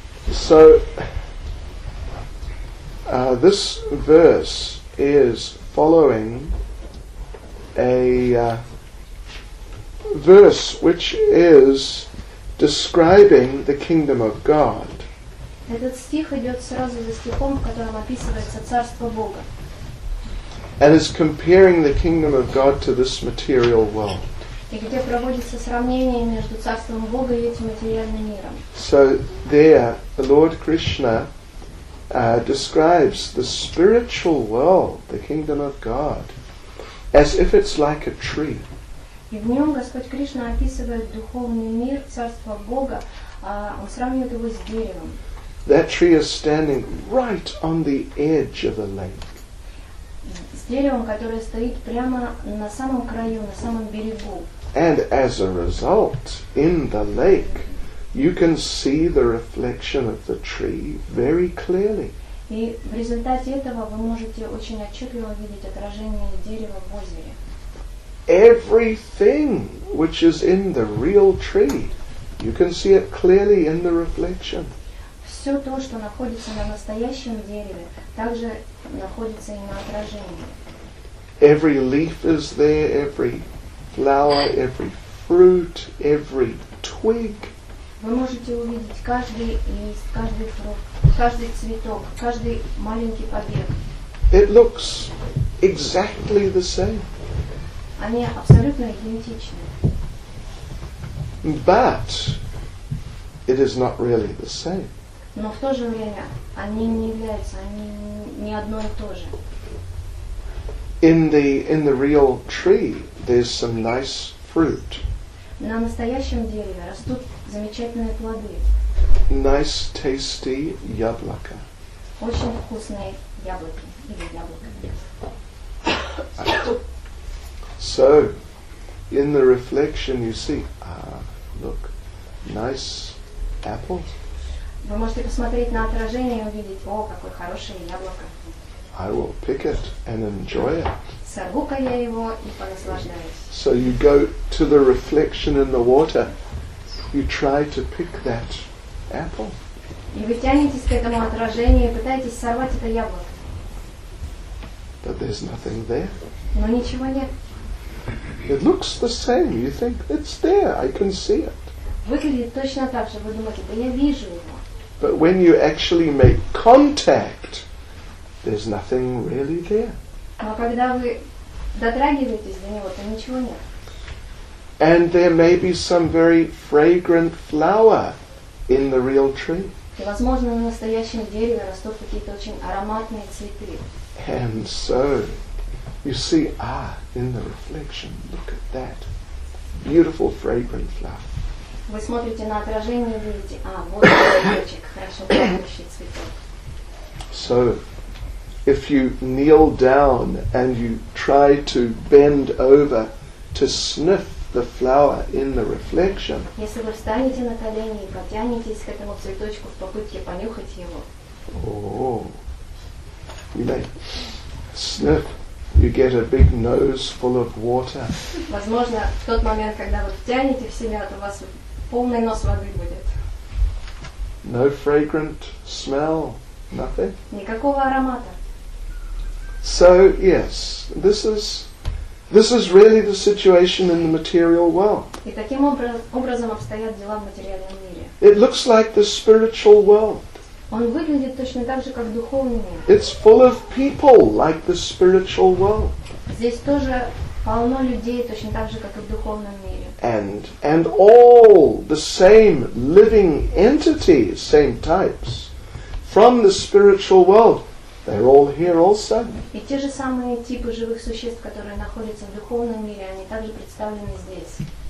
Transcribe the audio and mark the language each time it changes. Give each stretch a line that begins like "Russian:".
English: So this verse is following a verse which is describing the kingdom of God.
Russian: Этот стих идет сразу за стихом, в котором описывается царство Бога.
English: And is comparing the kingdom of God to this material world.
Russian: И где проводится сравнение между царством Бога и этим материальным миром.
English: So there, the Lord Krishna describes the spiritual world, the kingdom of God, as if it's like a tree.
Russian: И в нем Господь Кришна описывает духовный мир, царство Бога, он сравнивает его с деревом.
English: That tree is standing right on the edge of a lake.
Russian: С деревом, которое стоит прямо на самом краю, на самом берегу.
English: And as a result, in the lake, you can see the reflection of the tree very clearly.
Russian: И в результате этого вы можете очень отчетливо видеть отражение дерева в озере.
English: Everything which is in the real tree, you can see it clearly in the reflection.
Russian: Все то, что находится на настоящем дереве, также находится и на отражении.
English: Every leaf is there, every flower, every fruit, every twig.
Russian: Вы можете увидеть каждый лист, каждый фрукт, каждый цветок, каждый маленький побег.
English: It looks exactly the same.
Russian: Они абсолютно идентичны.
English: But it is not really the same.
Russian: Но в то же время они не являются, они не одно и то же.
English: In the real tree there's some nice fruit.
Russian: На настоящем дереве растут замечательные плоды.
English: Nice tasty яблоко.
Russian: Очень вкусные яблоки или яблоко.
English: So, in the reflection you see, look, nice apple.
Russian: Вы можете посмотреть на отражение и увидеть, о, какое хорошее яблоко.
English: I will pick it and enjoy it.
Russian: Сорву-ка я его и понаслаждаюсь.
English: So you go to the reflection in the water, you try to pick that apple.
Russian: И вы тянетесь к этому отражению и пытаетесь сорвать это яблоко.
English: But there's nothing there.
Russian: Но ничего нет.
English: It looks the same. You think it's there. I can see it.
Russian: Выглядит точно так же. Вы думаете, да я вижу его.
English: But when you actually make contact, there's nothing really there.
Russian: Но когда вы дотрагиваетесь до него, то ничего нет.
English: And there may be some very fragrant flower in the real tree.
Russian: И возможно, на настоящем дереве растут какие-то очень ароматные цветы.
English: And so you see, in the reflection, look at that beautiful fragrant flower.
Russian: Вы смотрите на отражение и видите, вот цветочек, хорошо пахнущий цветок.
English: So, if you kneel down and you try to bend over to sniff the flower in the reflection,
Russian: если вы встанете на колени и потянетесь к этому цветочку в попытке понюхать его,
English: you may sniff. You get a big nose full of water.
Russian: Возможно, в тот момент, когда вы втянете в себя, у вас полный нос воды будет.
English: No fragrant smell, nothing.
Russian: Никакого аромата.
English: So, yes, this is This is really the situation in the material world.
Russian: И таким образом обстоят дела в материальном мире.
English: It looks like the spiritual world.
Russian: Он выглядит точно так же, как духовный мир.
English: It's full of people like the spiritual world.
Russian: Здесь тоже полно людей точно так же, как и в духовном мире.
English: And all the same living entities, same types, from the spiritual world. They're all here also.
Russian: И те же самые типы живых существ, которые находятся в духовном мире, они также представлены здесь.